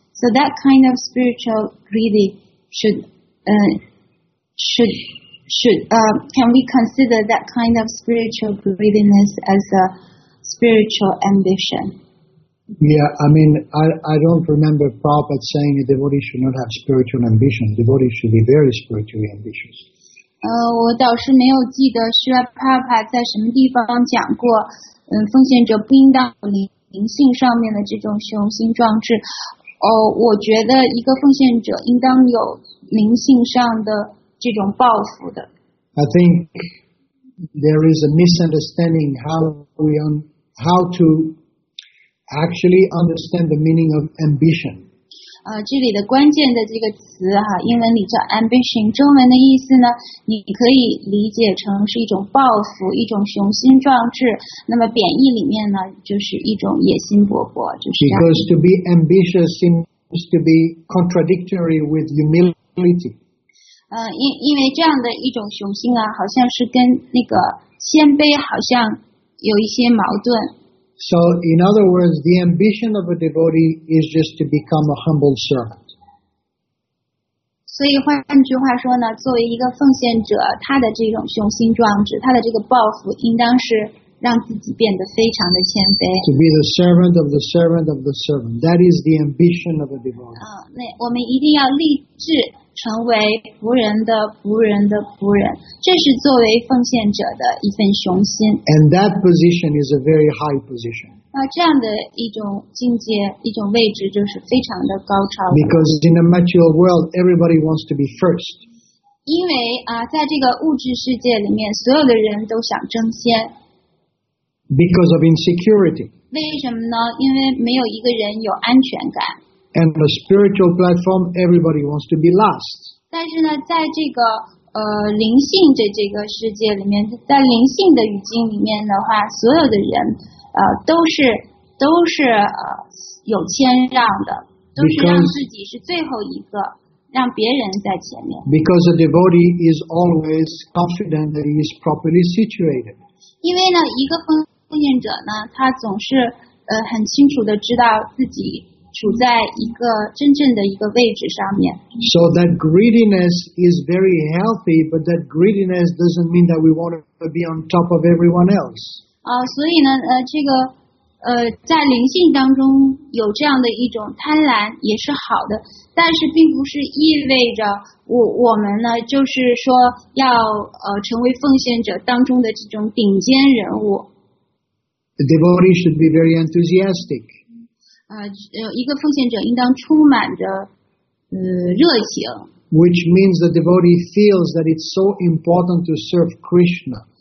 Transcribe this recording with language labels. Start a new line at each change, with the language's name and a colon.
English: So that kind of spiritual greedy can we consider that kind of spiritual greediness as a spiritual ambition? Yeah, I mean, I don't remember Prabhupada saying a devotee should not have spiritual ambition. A devotee should be very spiritually ambitious.
Chinese: 我倒是没有记得是帕帕在什么地方讲过，奉献者不应当有灵性上面的这种虚荣心壮志。我觉得一个奉献者应当有灵性上的这种抱负的。
English: I think there is a misunderstanding how to actually understand the meaning of ambition.
Chinese: 这里的关键的这个词哈，英文里叫 ambition， 中文的意思呢，你可以理解成是一种抱负，一种雄心壮志。那么贬义里面呢，就是一种野心勃勃，就是。
English: Because to be ambitious seems to be contradictory with humility.
Chinese: 因为这样的一种雄心啊，好像是跟那个谦卑好像有一些矛盾。
English: So, in other words, the ambition of a devotee is just to become a humble servant.
Chinese: 所以换句话说呢，作为一个奉献者，他的这种雄心壮志，他的这个抱负，应当是让自己变得非常的谦卑。
English: To be the servant of the servant of the servant. That is the ambition of a devotee.
Chinese: 那我们一定要立志成为仆人的仆人的仆人，这是作为奉献者的一份雄心。
English: And that position is a very high position.
Chinese: 这样的一种境界，一种位置就是非常的高超的。
English: Because in a material world, everybody wants to be first.
Chinese: 因为在这个物质世界里面，所有的人都想争先。
English: Because of insecurity.
Chinese: 为什么呢？因为没有一个人有安全感。
English: And the spiritual platform, everybody wants to be last.
Chinese: 但是呢，在这个灵性的这个世界里面，在灵性的语境里面的话，所有的人都是有谦让的，都是让自己是最后一个，让别人在前面。
English: Because a devotee is always confident that he is properly situated.
Chinese: 因为呢，一个奉献者呢，他总是很清楚的知道自己。处在一个真正的一个位置上面。
English: So that greediness is very healthy, but that greediness doesn't mean that we want to be on top of everyone else.
Chinese: 所以呢，这个在灵性当中有这样的一种贪婪也是好的，但是并不是意味着我们呢，就是说要成为奉献者当中的这种顶尖人物。
English: The devotee should be very enthusiastic.
Chinese: 一个奉献者应当充满着热情。
English: Which means the devotee feels that it's so important to serve Krishna.